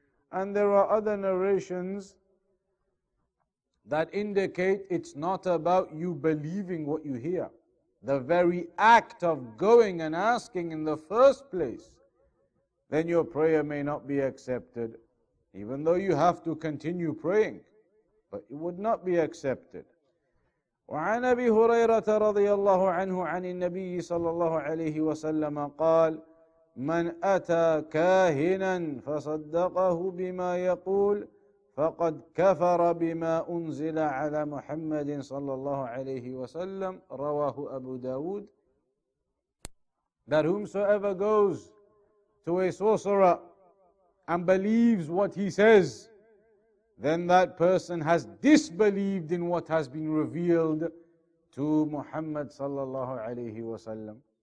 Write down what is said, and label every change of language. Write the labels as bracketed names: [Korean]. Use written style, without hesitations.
[English] And there are other narrations that indicate it's not about you believing what you hear. The very act of going and asking in the first place, then your prayer may not be accepted, even though you have to continue praying, but it would not be accepted. [Arabic] وعن أبي هريرة رضي الله عنه عن النبي صلى الله عليه وسلم قال من أتى كاهنا فصدقه بما يقول فقد كفر بما أنزل على محمد صلى الله عليه وسلم رواه أبو داود. [English] That whomsoever goes to a sorcerer and believes what he says, then that person has disbelieved in what has been revealed to Muhammad [Arabic] صلى الله عليه وسلم.